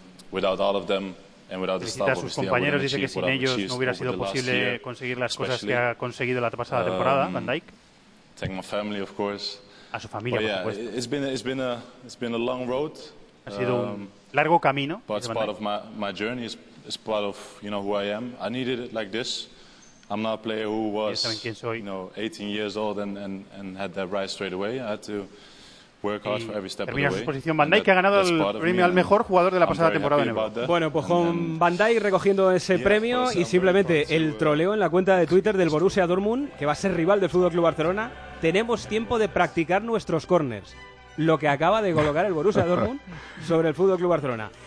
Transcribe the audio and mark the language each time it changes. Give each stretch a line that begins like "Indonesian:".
English: Without all of them and without the staff,
Spanish: sus compañeros, dice que sin ellos no hubiera sido posible conseguir las cosas que ha conseguido la pasada temporada. Van Dijk.
English: Thank my family, of course.
Spanish: A su familia,
English: but
Spanish: por supuesto.
English: Yeah, it's been a long road.
Spanish: Ha sido un largo camino.
English: But it's part of my journey. It's part of, you know, who I am. I needed it like this. I'm not a player who was, you know, 18 years old and had that rise straight away. I had to work hard for every step of the way.
Spanish: Termina su posición Van Dijk, que ha ganado el premio al mejor jugador de la pasada temporada. Bueno, pues con Van Dijk recogiendo ese premio y simplemente el troleo en la cuenta de Twitter del Borussia Dortmund, que va a ser rival del FC Barcelona. Tenemos tiempo de practicar nuestros corners. Lo que acaba de colocar el Borussia Dortmund sobre el FC Barcelona.